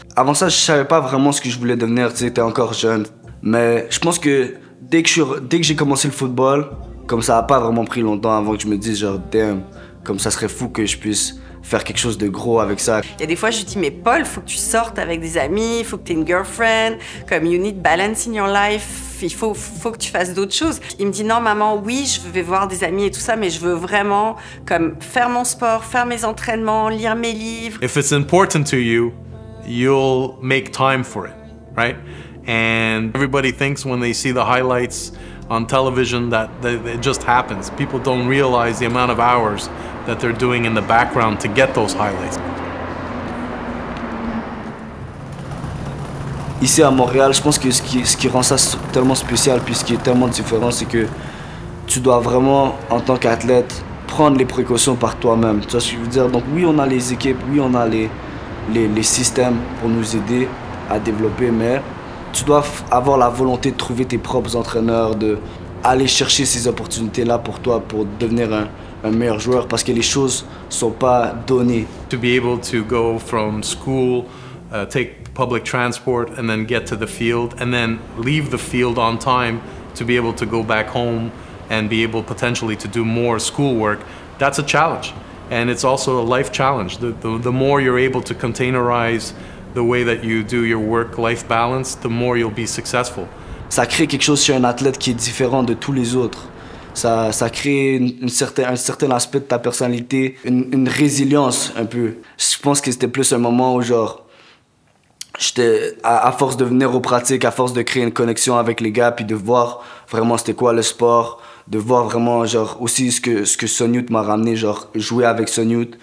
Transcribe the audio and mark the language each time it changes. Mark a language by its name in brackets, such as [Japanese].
[French] Avant ça, je savais pas vraiment ce que je voulais devenir, tu sais, t'es encore jeune. Mais je pense que dès que j'ai commencé le football, comme ça a pas vraiment pris longtemps avant que je me dise genre, damn, comme ça serait fou que je puisse faire quelque chose de gros avec ça. Il y a des fois, je dis, mais Paul, faut que tu sortes avec des amis, faut que t'aies une girlfriend, comme [English] you need balance in your life, [French] il faut que tu fasses d'autres choses. Il me dit, non, maman, oui, je vais voir des amis et tout ça, mais je veux vraiment comme faire mon sport, faire mes entraînements, lire mes livres. [English] If it's important to you, you'll make time for it, right? And everybody thinks when they see the highlights on television that it just happens. People don't realize the amount of hours that they're doing in the background to get those highlights. [French] Ici à Montréal, je pense que ce qui rend ça tellement spécial puis ce qui est tellement différent, c'est que tu dois vraiment, en tant qu'athlète, prendre les précautions par toi-même. Tu vois ce que je veux dire? Donc oui, on a les équipes, oui, on a les systèmes pour nous aider à développer, mais tu dois avoir la volonté de trouver tes propres entraîneurs, d'aller chercher ces opportunités-là pour toi, pour devenir un meilleur joueur, parce que les choses ne sont pas données. [English] To be able to go from school, take public transport, and then get to the field, and then leave the field on time to be able to go back home and be able potentially to do more schoolwork, that's a challenge. And it's also a life challenge. The more you're able to containerize the way that you do your work-life balance, the more you'll be successful. [French] Ça crée quelque chose chez un athlète qui est différent de tous les autres. Ça crée un certain aspect de ta personnalité, une résilience un peu. Je pense que c'était plus un moment où genre, j'étais à force de venir aux pratiques, à force de créer une connexion avec les gars, puis de voir vraiment c'était quoi le sport, de voir vraiment genre aussi ce que Sonyut m'a ramené, genre jouer avec Sonyut.